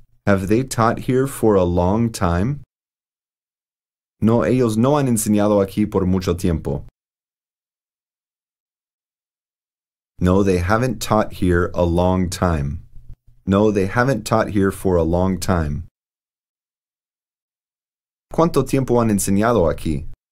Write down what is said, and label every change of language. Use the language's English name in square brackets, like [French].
[English] Have they taught here for a long time? [Spanish] No, ellos no han enseñado aquí por mucho tiempo. [English] No, they haven't taught here a long time. No, they haven't taught here for a long time. [Spanish] ¿Cuánto tiempo han enseñado aquí?